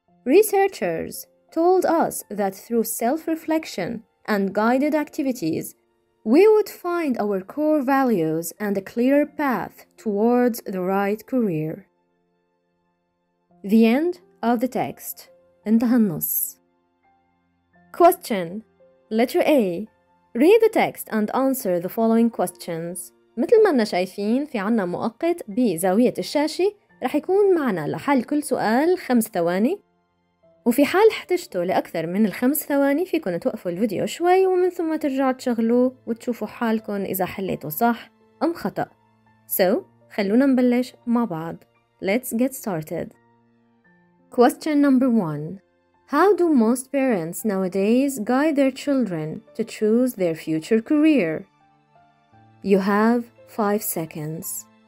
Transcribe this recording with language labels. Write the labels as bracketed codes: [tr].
[en] Researchers told us that through self-reflection and guided activities, we would find our core values and a clearer path towards the right career. The end of the text. [ar] انتهى النص. [en] Question. Letter A. Read the text and answer the following questions. [ar] مثل ما احنا شايفين في عنا مؤقت بزاوية الشاشة رح يكون معنا لحل كل سؤال 5 ثواني وفي حال احتجتوا لأكثر من 5 ثواني فيكن توقفوا الفيديو شوي ومن ثم ترجعوا تشغلوا وتشوفوا حالكن إذا حليتوا صح أم خطأ. So, خلونا نبلش مع بعض. [en] Let's get started. Question number 1. How do most parents nowadays guide their children to choose their future career? You have 5 seconds.